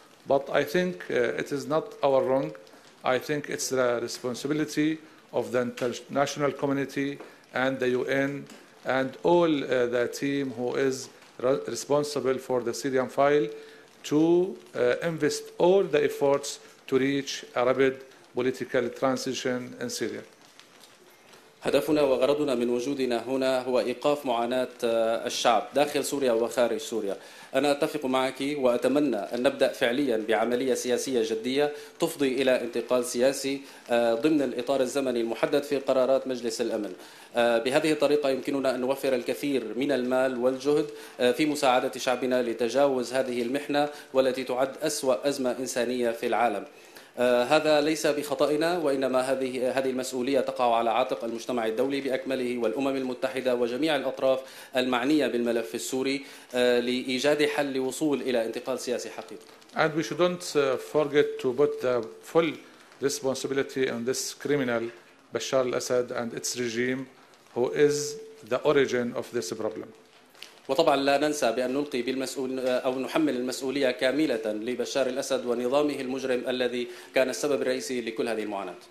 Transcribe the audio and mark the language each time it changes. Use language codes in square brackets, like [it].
[en] But I think it is not our wrong. I think it's the responsibility of the international community and the UN and all the team who is responsible for the Syrian file to invest all the efforts to reach a rapid political transition in Syria. [ar] هدفنا وغرضنا من وجودنا هنا هو إيقاف معاناة الشعب داخل سوريا وخارج سوريا. أنا أتفق معك وأتمنى أن نبدأ فعليا بعملية سياسية جدية تفضي إلى انتقال سياسي ضمن الإطار الزمني المحدد في قرارات مجلس الأمن. بهذه الطريقة يمكننا أن نوفر الكثير من المال والجهد في مساعدة شعبنا لتجاوز هذه المحنة والتي تعد أسوأ أزمة إنسانية في العالم. هذا ليس بخطائنا وإنما هذه المسؤولية تقع على عاتق المجتمع الدولي بأكمله والأمم المتحدة وجميع الأطراف المعنية بالملف السوري لإيجاد حل لوصول إلى انتقال سياسي حقيقي. [en] And we shouldn't forget to put the full responsibility on this criminal Bashar al-Assad and its regime who is the origin of this problem. [ar] وطبعا لا ننسى بأن نلقي بالمسؤول أو نحمل المسؤولية كاملة لبشار الأسد ونظامه المجرم الذي كان السبب الرئيسي لكل هذه المعاناة.